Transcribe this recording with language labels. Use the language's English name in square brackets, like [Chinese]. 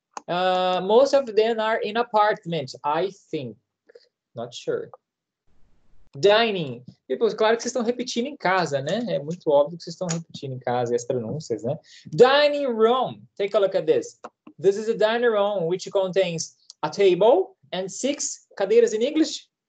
[English] Most of them are in apartment, I think. Not sure. Dining. [Portuguese] Tipo, claro que vocês estão repetindo em casa, né? É muito óbvio que vocês estão repetindo em casa e as pronúncias, né? [English] Dining room. Take a look at this. This is a dining room which contains a table and six cadeiras in English.